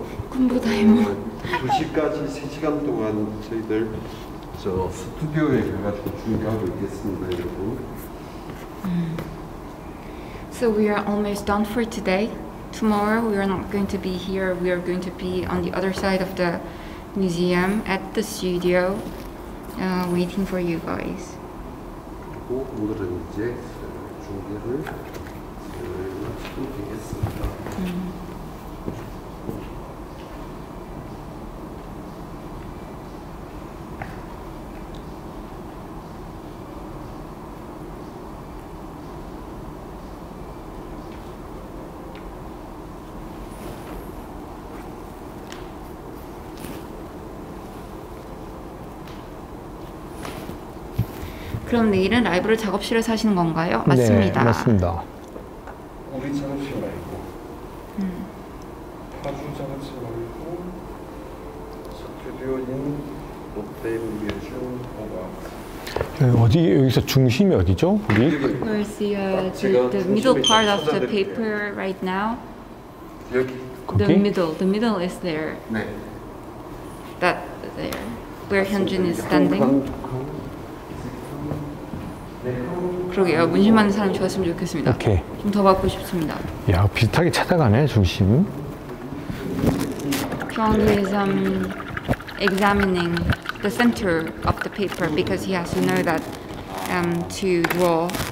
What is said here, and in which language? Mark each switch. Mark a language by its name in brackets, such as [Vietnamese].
[Korean] 3시간 동안 저희들 저 스튜디오에 가서 준비하고 있겠습니다, 여러분. [English] So we are almost done for today. Tomorrow we are not going to be here. We are going to be on the other side of the museum at the studio waiting for you guys. [Korean] 그리고 오늘은 이제 준비를 마치고 되겠습니다. 그럼 내일은 라이브를 작업실에서 하시는 건가요? 맞습니다. 네, 맞습니다. 우리 작업실 말고 파주 작업실 말고 스튜디오인 롯데뮤지엄과 어디 여기서 중심이 어디죠? 우리? [English] We're the middle part of the paper right now. [Korean] 여기 [English] the middle. The middle is there. [Korean] 네. [English] That there. Where Hyunjin is standing. [Korean] 그러게요. 문신 많은 사람 좋았으면 좋겠습니다. 오케이. 좀 더 받고 싶습니다. 야, 비슷하게 찾아가네, 중심. [English] 정기 is examining the center of the paper because he has to know that to draw.